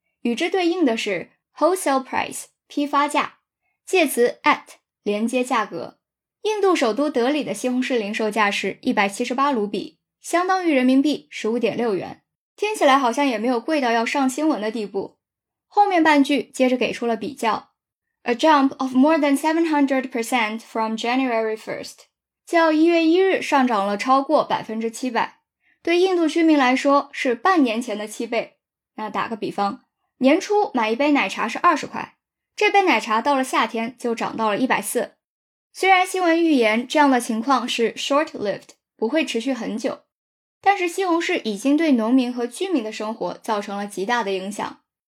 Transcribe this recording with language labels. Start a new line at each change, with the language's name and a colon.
Chinese: 与之对应的是 wholesale price, 批发价。介词 at, 连接价格。印度首都德里的西红柿零售价是178卢比，相当于人民币 15.6 元。听起来好像也没有贵到要上新闻的地步。后面半句接着给出了比较。
English: A jump of more than 700% from January 1st.
Chinese: 较1月1日上涨了超过 700%。对印度居民来说是半年前的7倍。那打个比方，年初买一杯奶茶是20块，这杯奶茶到了夏天就涨到了140。虽然新闻预言这样的情况是 short-lived, 不会持续很久，但是西红柿已经对农民和居民的生活造成了极大的影响。